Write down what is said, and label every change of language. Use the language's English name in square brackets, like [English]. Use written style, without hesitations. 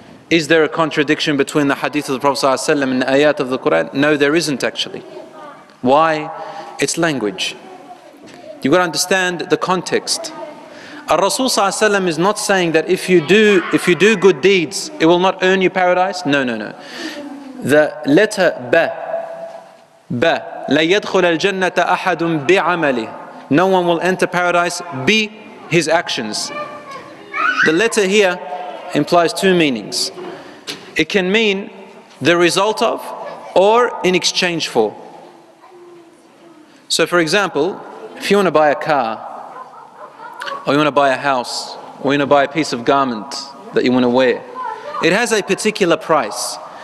[English] Is there a contradiction between the hadith of the Prophet ﷺ and the ayat of the Quran? No, there isn't actually. Why? It's language. You've got to understand the context. Rasul ﷺ is not saying that if you do good deeds, it will not earn you paradise. No, no, no. The letter ba, [Arabic] لَا يَدْخُلَ الْجَنَّةَ أَحَدٌ بِعَمَلِهِ. [English] No one will enter paradise be his actions. The letter here implies two meanings. It can mean the result of or in exchange for. So for example, if you want to buy a car, or you want to buy a house, or you want to buy a piece of garment that you want to wear, it has a particular price.